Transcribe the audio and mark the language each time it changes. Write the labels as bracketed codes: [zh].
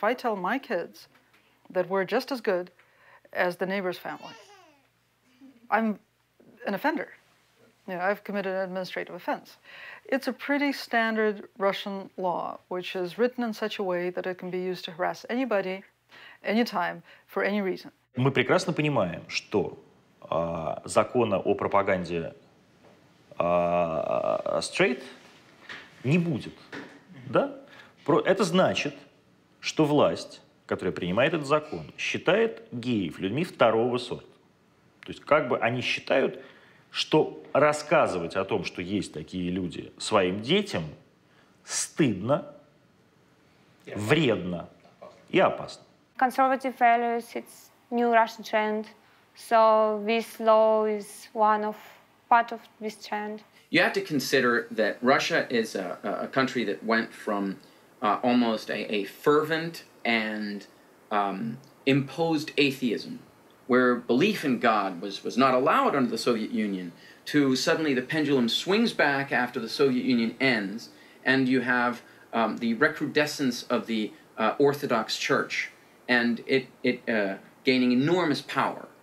[en] If I tell my kids that we're just as good as the neighbor's family, I'm an offender. You know, I've committed an administrative offense. It's a pretty standard Russian law, which is written in such a way that it can be used to harass anybody, anytime, for any reason. [ru] Мы прекрасно понимаем, что закона о пропаганде straight не будет. Да? Это значит, что власть, которая принимает этот закон, считает геев людьми второго сорта. То есть как бы они считают, что рассказывать о том, что есть такие люди своим детям, стыдно, вредно и опасно. [en] Conservative values, it's new Russian trend. So this law is one of part of this trend. You have to consider that Russia is a country that went from almost a fervent and imposed atheism, where belief in God was not allowed under the Soviet Union, to suddenly the pendulum swings back after the Soviet Union ends, and you have the recrudescence of the Orthodox Church, and it gaining enormous power.